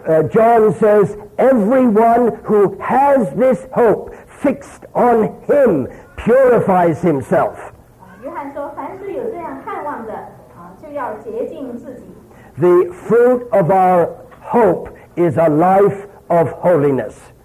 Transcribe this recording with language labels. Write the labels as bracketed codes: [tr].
[en] John says, everyone who has this hope fixed on him purifies himself. [zh] 约翰说凡是有这样盼望的就要洁净自己。 [en] The fruit of our hope is a life of holiness.